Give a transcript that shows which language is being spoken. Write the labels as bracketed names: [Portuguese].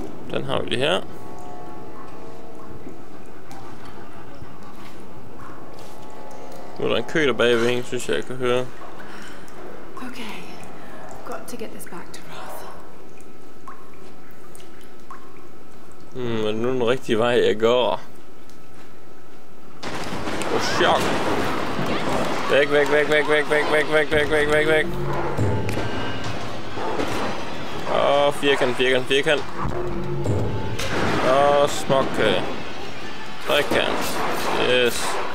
[Danish] Den har vi lige her. Nu er der en kø der bag ved hende, synes jeg, jeg kan høre. Okay. [English] Got to get this back to Roth. [Danish] Er det nu den rigtige vej, jeg går? Oh, chok! Væk. Åh, firkant. Åh, smukke. Trekant. [English] Yes.